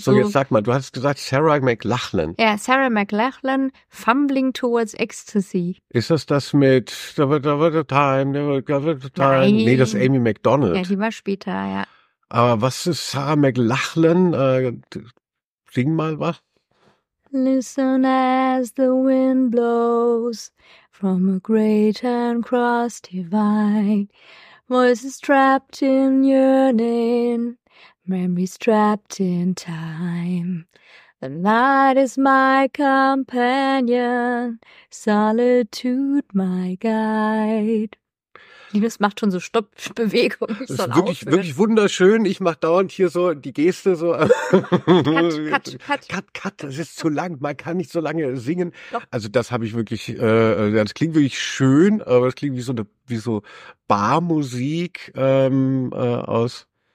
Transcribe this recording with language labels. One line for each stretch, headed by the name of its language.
German: So, jetzt sag mal, du hast gesagt Sarah McLachlan. Ja, Sarah McLachlan. Lachlan, Fumbling Towards Ecstasy. Ist das das mit Time? Nee, das ist Amy McDonald. Ja, die war später, ja. Aber was ist Sarah McLachlan? Sing mal was.
English: Listen as the wind blows from a great and cross divide. Voices trapped in yearning, memories trapped in time. The night is my companion, solitude my guide.
German: Linus macht schon so Stoppbewegung. Das ist wirklich, wirklich wunderschön. Ich mache dauernd hier so die Geste so.
English: Cut.
German: Das ist zu lang. Man kann nicht so lange singen. Doch. Also das habe ich wirklich, das klingt wirklich schön, aber das klingt wie so eine, wie so Barmusik aus.